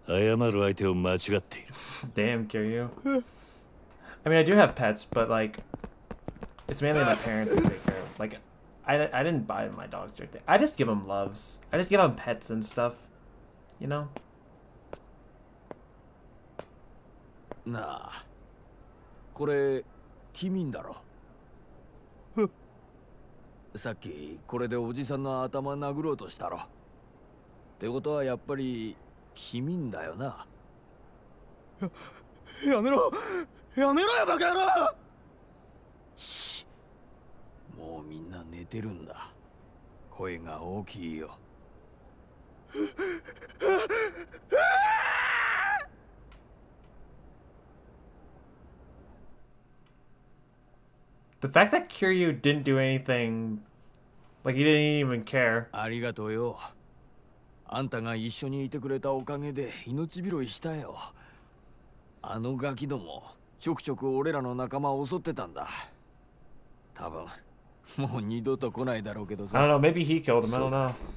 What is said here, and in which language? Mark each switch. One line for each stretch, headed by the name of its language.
Japanese: 何がどうただで済まねんだ。分かったよ。悪かった。だからもう許してくれって。それで謝ってるつもりか。それに謝る相手を間違っている。
English: Damn, kill you. I mean, I do have pets, but like, it's mainly my parents who take care of. Like, I didn't buy my dogs or anything. I just give them loves. I just give them pets and stuff. You know.
Japanese: なあ、これ君んだろ。ふっ、さっきこれでおじさんの頭殴ろうとしたろ。ってことはやっぱり君んだよな。やめろよバカ野郎。し、もうみんな寝てるんだ。声が大きいよ。
English: The fact that Kiryu didn't do anything, like he didn't even care.
Japanese: ありがとうよ。あんたが一緒にいてくれたおかげで命拾いしたよ。あのガキどもちょくちょく俺らの仲間を襲ってたんだ。多分もう二度と来ないだろうけどさ。
English: I don't know. Maybe he killed him. I don't know.